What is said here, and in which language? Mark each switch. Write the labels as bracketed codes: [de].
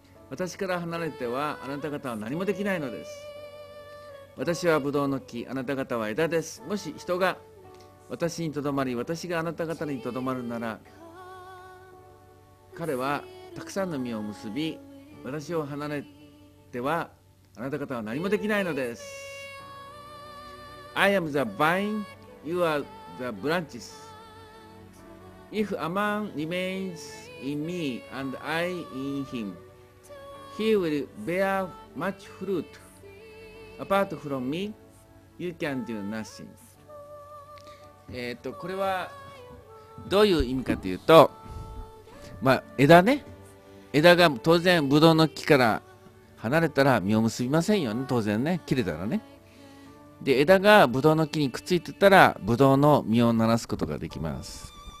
[ja] 私から離れてはあなた方は何もできないのです。私はブドウの木、あなた方は枝です。もし人が私にとどまり、私があなた方にとどまるなら、彼はたくさんの実を結び、私を離れてはあなた方は何もできないのです。 [en] I am the vine, you are the branches. If a man remains in me and I in him, he will bear much fruit. Apart from me, You can do nothing。 [ja] これはどういう意味かというと、まあ、枝ね、枝が当然ブドウの木から離れたら実を結びませんよね、当然ね、切れたらね。で、枝がブドウの木にくっついてたらブドウの実をならすことができます。